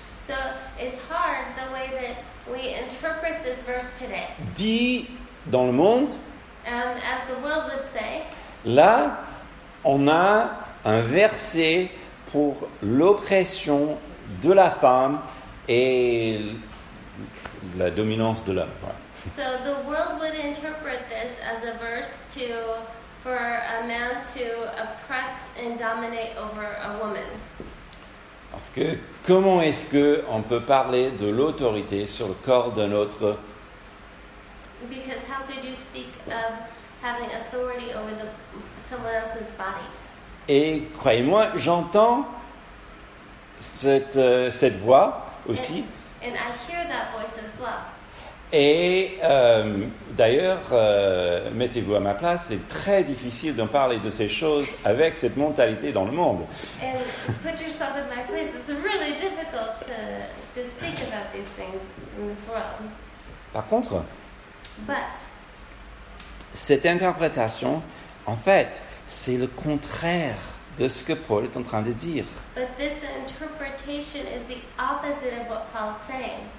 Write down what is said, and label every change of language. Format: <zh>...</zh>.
<en>So, it's hard the way that we interpret this verse today.</en> <fr>Dit dans le monde,</fr> <en>as the world would say,</en> <fr>là, on a un verset pour l'oppression de la femme et la dominance de l'homme. Ouais.</fr> <en>So the world would interpret this as a verse to for a man to oppress and dominate over a woman.</en> <fr>Parce que comment est-ce que on peut parler de l'autorité sur le corps d'un autre?</fr> <en>Because how could you speak of having authority over the someone else's body?</en> <fr>Et croyez-moi, j'entends cette voix aussi.</fr> <en>And I hear that voice as well.</en> <fr>Et d'ailleurs, mettez-vous à ma place, c'est très difficile d'en parler de ces choses avec cette mentalité dans le monde.</fr> <en>And put yourself in my place, it's really difficult to speak about these things in this world.</en> <fr>Par contre,</fr> <en>but,</en> <fr>cette interprétation, en fait, c'est le contraire de ce que Paul est en train de dire.</fr> <en>But this interpretation is the opposite of what Paul's saying.</en>